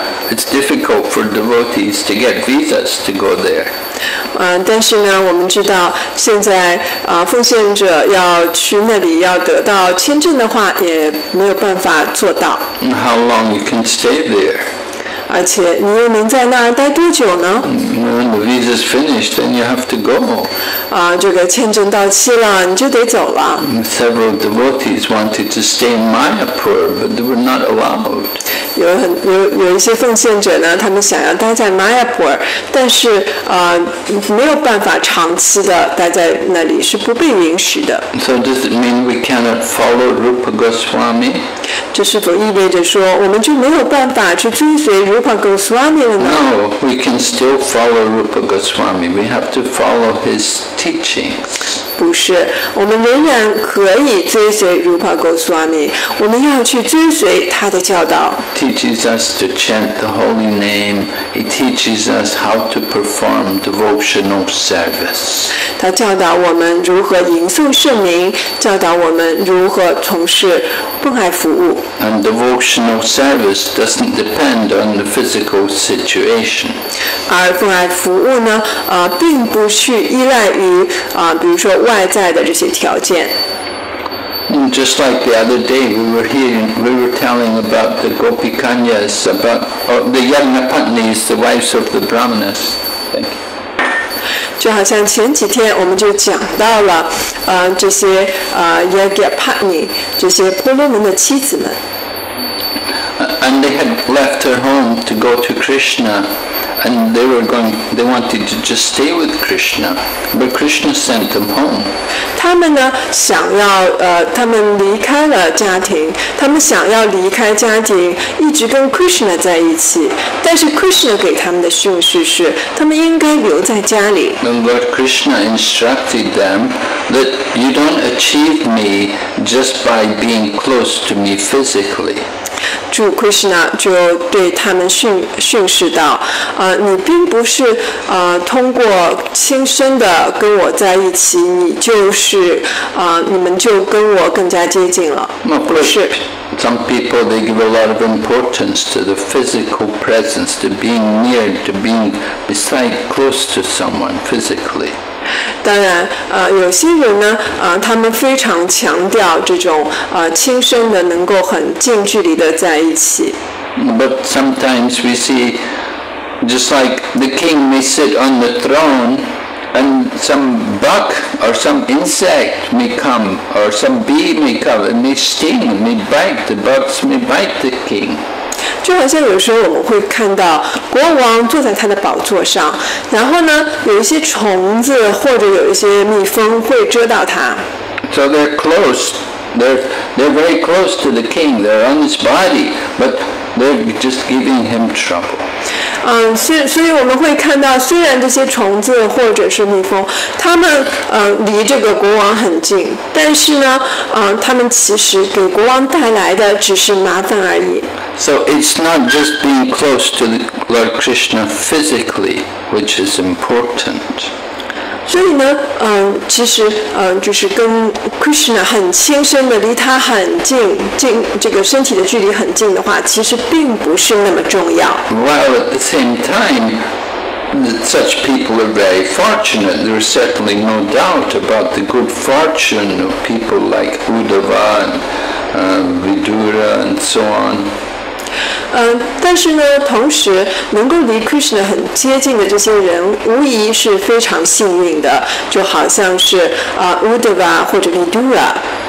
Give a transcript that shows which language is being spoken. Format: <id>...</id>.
<en>It's difficult for devotees to get visas to go there.</en> <zh>但是呢，我们知道现在奉献者要去那里要得到签证的话，也没有办法做到。</zh> <en>How long you can stay there?</en> <zh>而且你又能在那待多久呢</zh> <en>？When the visa is finished, then you have to go.</en> <zh>这个签证到期了，你就得走了。</zh> <en>Several devotees wanted to stay in Mayapur, but they were not allowed.</en> <zh>有一些奉献者呢，他们想要待在 Mayapur， 但是没有办法长期的待在那里，是不被允许的。</zh> <en>So does it mean we cannot follow Rupa Goswami？</en> <zh>这是否意味着说我们就没有办法去追随 Rupa Goswami 了呢</zh> <en>？No, we can still follow Rupa Goswami. We have to follow his teachings.</en> <zh>不是，我们仍然可以追随 Rupa Goswami， 我们要去追随他的教导。</zh> <en>He teaches us to chant the holy name. He teaches us how to perform devotional service.</en> <zh>他教导我们如何吟诵圣名，教导我们如何从事奉爱服务。</zh> <en>And devotional service doesn't depend on the physical situation.</en> <zh>而奉爱服务呢，并不去依赖于比如说。外在的这些条件。</zh> <en>Just like the other day, we were telling about the Gopikanyas, about the Yajnapatnis, the wives of the Brahmanas. Thank you.</en> <zh>就好像前几天我们就讲到了，这些Yajnapatni， 这些婆罗门的妻子们。</zh> <en>And they had left her home to go to Krishna. And they wanted to just stay with Krishna, but Krishna sent them home.</en> <zh>他们呢想要他们离开了家庭，他们想要离开家庭，一直跟 Krishna 在一起。但是 Krishna 给他们的训示是，他们应该留在家里。</zh> <en>And Lord Krishna instructed them that you don't achieve me just by being close to me physically.</en> <zh>主 Krishna 就对他们训示道：“你并不是通过亲身的跟我在一起，你就是你们就跟我更加接近了。” 不是。</zh> <en>Some people they give a lot of importance to the physical presence, to being near, to being beside, close to someone physically.</en> <zh>当然，有些人呢，他们非常强调这种亲身的，能够很近距离的在一起。</zh> <en>But sometimes we see, just like the king may sit on the throne, and some bug or some insect may come, or some bee may come, and may sting, may bite. The bugs may bite the king.</en> <zh>就好像有时候我们会看到国王坐在他的宝座上，然后呢，有一些虫子或者有一些蜜蜂会蛰到他。</zh> <en>So they're close, they're very close to the king. They're on his body, but they're just giving him trouble.</en> <zh>所以我们会看到，虽然这些虫子或者是蜜蜂，他们离这个国王很近，但是呢，他们其实给国王带来的只是麻烦而已。</zh> <en>So it's not just being close to Lord Krishna physically, which is important.</en> <zh>所以呢，其实就是跟 Krishna 很亲身的，离他很近，这个身体的距离很近的话，其实并不是那么重要。</zh> <en>While at the same time, such people are very fortunate. There is certainly no doubt about the good fortune of people like Uddhava and Vidura and so on.</en> <zh>但是呢，同时能够离 Krishna 很接近的这些人，无疑是非常幸运的，就好像是Uddhava 或者 Vidura。</zh>